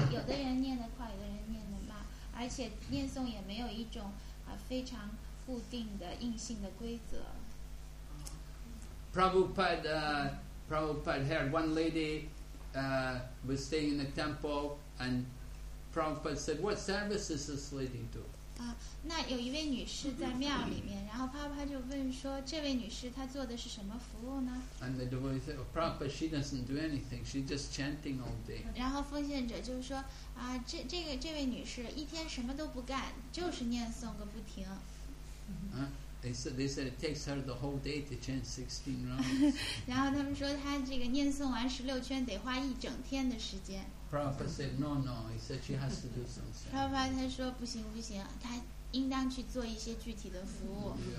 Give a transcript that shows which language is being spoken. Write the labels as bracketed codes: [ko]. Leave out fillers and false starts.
[zh] 有的人念得快，有的人念得慢，而且念诵也没有一种非常固定的硬性的规则。 [en] Prabhupada heard one lady was staying in the temple, and Prabhupada said, "What service is this lady to?" [zh] 那有一位女士在庙里面，然后帕帕就问说：“这位女士她做的是什么服务呢？” [en] And the devotee said, "Oh, Prabhupada, she doesn't do anything. She's just chanting all day." [zh] 然后奉献者就说：“啊，这位女士一天什么都不干，就是念诵个不停。 [en] They said it takes her the whole day to chant 16 rounds. [zh] 然后他们说她这个念诵完十六圈得花一整天的时间。 [en] Prabhupada said, "No, no." He said she has to do something. [zh] 帕帕他说不行不行，他应当去做一些具体的服务。